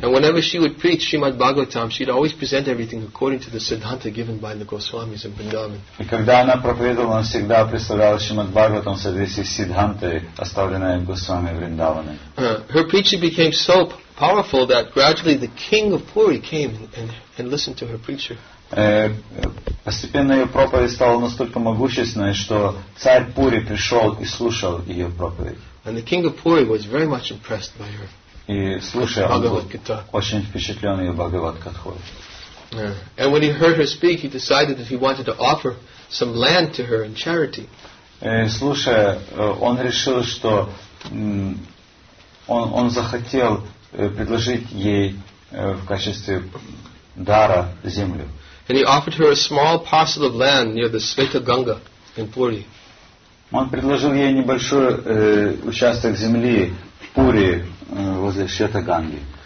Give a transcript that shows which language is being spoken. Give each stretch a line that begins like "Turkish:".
English: And whenever she would preach Srimad Bhagavatam, she'd always present everything according to the Siddhanta given by the Goswamis in Vrindavan.
Russian: И когда она проповедовала, она всегда представляла Srimad Bhagavatam в соответствии с Сиддхантой, оставленной Госвами Вриндаваны.
English: Her preaching became so powerful that gradually the king of Puri came and listened to her preacher.
Russian: Постепенно ее проповедь стала настолько могущественной, что царь Пури пришел и слушал ее проповедь.
English: And the king of Puri was very much impressed by her.
Russian: И слушая, он был очень впечатлен ее Бхагавад-катхой.
English: And when he heard her speak, he decided that he wanted to offer some land to her in charity.
Russian: Слушая, он решил, что он захотел предложить ей в качестве дара землю.
English: And he offered her a small parcel of land near the Sveta Ganga in Puri.
Russian: Он предложил ей небольшой участок земли в Пури возле Света Ганги.